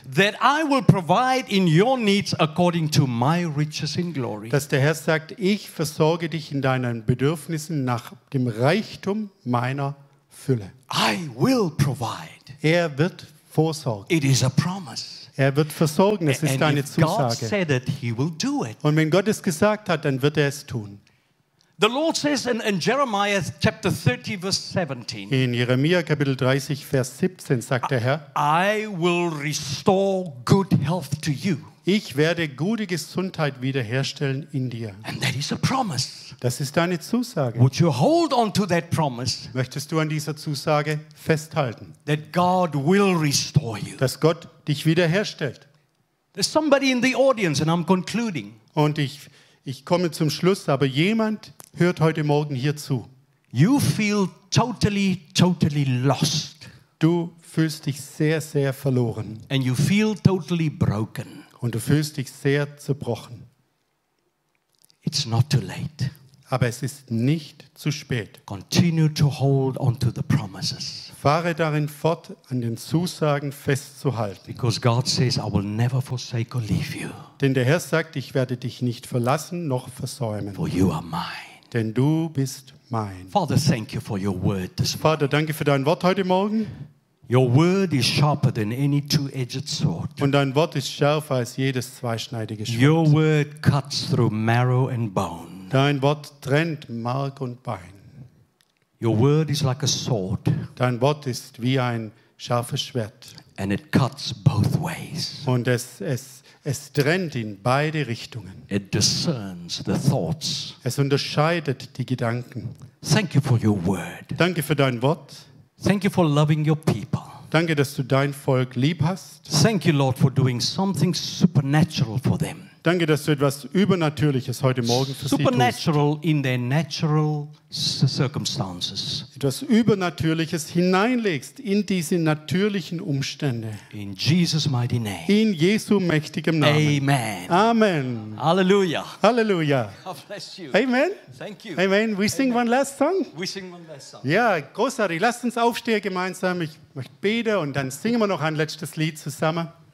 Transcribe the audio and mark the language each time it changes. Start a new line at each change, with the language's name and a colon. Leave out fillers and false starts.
English: that I will provide in your needs according to my riches in glory.
German: Dass der Herr sagt, ich versorge dich in deinen Bedürfnissen nach dem Reichtum meiner Fülle.
English: I will provide.
German: Er wird vorsorgen.
English: It is a promise.
German: Er wird versorgen, es ist deine Zusage.
English: God said it, he will do it.
German: Und wenn Gott es gesagt hat, dann wird er es tun.
English: The Lord says in Jeremiah chapter 30 verse 17.
German: In Jeremia Kapitel 30 Vers 17 sagt der Herr,
English: I will restore good health to you.
German: Ich werde gute Gesundheit wiederherstellen in dir.
English: And that is a promise.
German: Das ist deine Zusage.
English: Would you hold on to that promise?
German: Möchtest du an dieser Zusage festhalten?
English: That God will restore you.
German: Dass Gott dich wiederherstellt.
English: There's somebody in the audience and I'm concluding.
German: Und ich komme zum Schluss, aber jemand hört heute Morgen hier zu.
English: You feel totally, totally lost.
German: Du fühlst dich sehr, sehr verloren.
English: And you feel totally broken.
German: Und du fühlst dich sehr zerbrochen.
English: It's not too late.
German: Aber es ist nicht zu spät.
English: Continue to hold on to the promises.
German: Fahre darin fort, an den Zusagen festzuhalten.
English: Because God says, I will never forsake or leave you.
German: Denn der Herr sagt, ich werde dich nicht verlassen noch versäumen.
English: For you are mine.
German: Denn du bist mein.
English: Father, thank you for your word this morning.
German: Vater, danke für dein Wort heute Morgen.
English: Your word is sharper than any two-edged sword.
German: Und dein Wort ist schärfer als jedes zweischneidige Schwert.
English: Your word cuts through marrow and bone.
German: Dein Wort trennt Mark und Bein.
English: Your word is like a sword.
German: Dein Wort ist wie ein scharfes Schwert.
English: And it cuts both ways.
German: Und es trennt in beide Richtungen.
English: It discerns the thoughts.
German: Es unterscheidet die Gedanken.
English: Thank you for your word.
German: Danke für dein Wort.
English: Thank you for loving your people.
German: Danke, dass du dein Volk lieb hast.
English: Thank you, Lord, for doing something supernatural for them.
German: Danke, dass du etwas Übernatürliches heute Morgen für sie tust.
English: Supernatural in their natural circumstances.
German: Etwas Übernatürliches hineinlegst in diese natürlichen Umstände.
English: In Jesus' mighty name.
German: In Jesu mächtigem Namen.
English: Amen.
German: Amen.
English: Halleluja.
German: Halleluja.
English: God bless you.
German: Amen.
English: Thank you. Amen. We sing Amen. One last song. We sing one last song.
German: Ja, großartig. Lasst uns aufstehen gemeinsam. Ich möchte beten und dann singen wir noch ein letztes Lied zusammen.